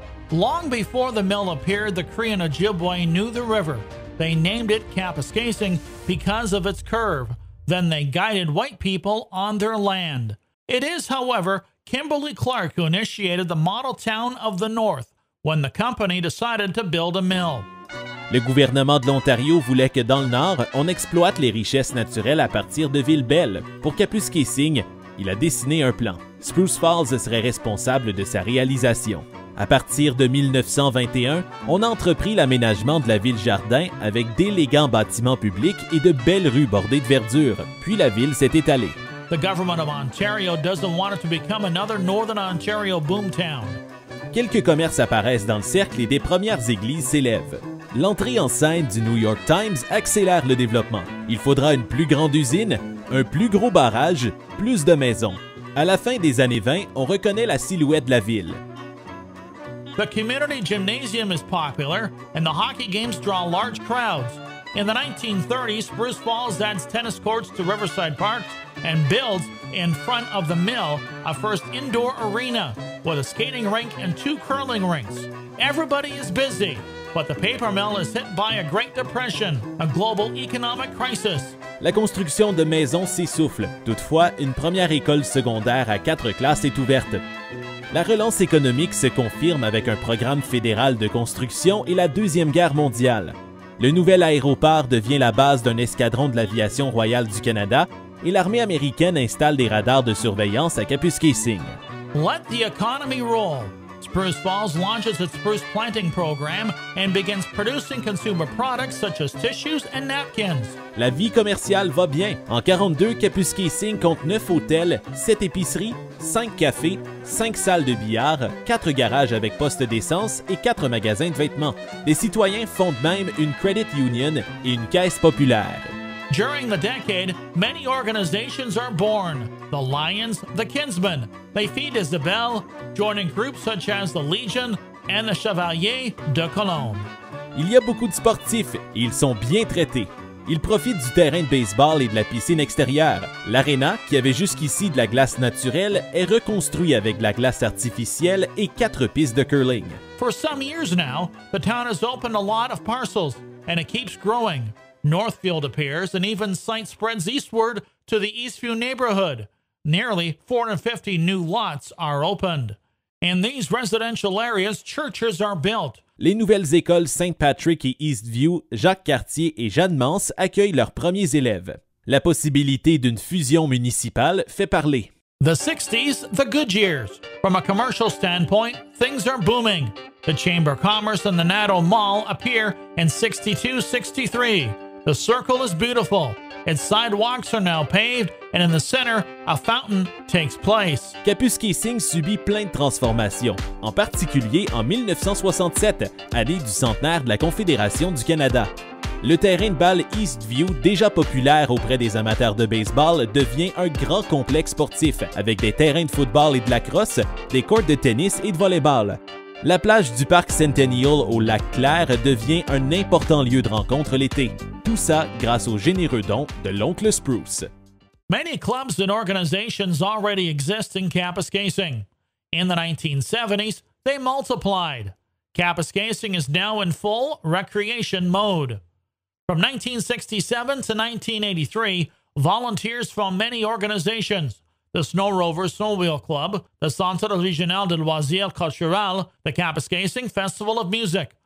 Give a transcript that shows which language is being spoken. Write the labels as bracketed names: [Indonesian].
[English] Long before the mill appeared, the Cree and Ojibwe knew the river. They named it Kapuskasing because of its curve. Then they guided white people on their land. It is, however, Kimberly Clark who initiated the model town of the North when the company decided to build a mill. [French] Le gouvernement de l'Ontario voulait que dans le Nord, on exploite les richesses naturelles à partir de villes belles. Pour Kapuskasing, il a dessiné un plan. Spruce Falls serait responsable de sa réalisation. À partir de 1921, on entreprit l'aménagement de la ville jardin avec d'élégants bâtiments publics et de belles rues bordées de verdure. Puis la ville s'est étalée. [English] The government of Ontario doesn't want it to become another Northern Ontario boomtown. [French] Quelques commerces apparaissent dans le cercle et des premières églises s'élèvent. L'entrée en scène du New York Times accélère le développement. Il faudra une plus grande usine, un plus gros barrage, plus de maisons. À la fin des années 20, on reconnaît la silhouette de la ville. [English] The community gymnasium is popular, and the hockey games draw large crowds. In the 1930s, Spruce Falls adds tennis courts to Riverside Park and builds, in front of the mill, a first indoor arena with a skating rink and two curling rinks. Everybody is busy, but the paper mill is hit by a Great Depression, a global economic crisis. [French] La construction de maisons s'essouffle. Toutefois, une première école secondaire à quatre classes est ouverte. La relance économique se confirme avec un programme fédéral de construction et la Deuxième Guerre mondiale. Le nouvel aéroport devient la base d'un escadron de l'aviation royale du Canada et l'armée américaine installe des radars de surveillance à Kapuskasing. [English] Let the economy roll. Spruce Falls launches its spruce planting program and begins producing consumer products such as tissues and napkins. [French] La vie commerciale va bien. En 42, Kapuskasing compte 9 hôtels, 7 épiceries, 5 cafés, 5 salles de billard, 4 garages avec poste d'essence et 4 magasins de vêtements. Les citoyens fondent même une credit union et une caisse populaire. [English] During the decade, many organizations are born. The Lions, the Kinsmen. They feed Isabelle, joining groups such as the Legion and the Chevalier de Cologne. [French] Il y a beaucoup de sportifs et ils sont bien traités. Ils profitent du terrain de baseball et de la piscine extérieure. L'aréna, qui avait jusqu'ici de la glace naturelle, est reconstruite avec de la glace artificielle et 4 pistes de curling. [English] For some years now, the town has opened a lot of parcels and it keeps growing. Northfield appears and even site spreads eastward to the Eastview neighborhood. Nearly 450 new lots are opened. In these residential areas, churches are built. [French] Les nouvelles écoles Saint-Patrick et Eastview, Jacques-Cartier et Jeanne-Mance accueillent leurs premiers élèves. La possibilité d'une fusion municipale fait parler. [English] The 60s, the good years. From a commercial standpoint, things are booming. The Chamber of Commerce and the Natto Mall appear in 62-63. The circle is beautiful. Its sidewalks are now paved, and in the center, a fountain takes place. [French] Kapuskasing subit plein de transformations, en particulier en 1967, année du centenaire de la Confédération du Canada. Le terrain de balle Eastview, déjà populaire auprès des amateurs de baseball, devient un grand complexe sportif, avec des terrains de football et de lacrosse, des courts de tennis et de volleyball. La plage du parc Centennial au lac Clair devient un important lieu de rencontre l'été. Tout ça grâce aux généreux dons de l'oncle Spruce. [English] Many clubs and organizations already exist in Kapuskasing. In the 1970s, they multiplied. Kapuskasing is now in full recreation mode. From 1967 to 1983, volunteers from many organizations, the Snow Rover Snowmobile Club, the Centre Régional de Loisirs Culturels, the Kapuskasing Festival of Music.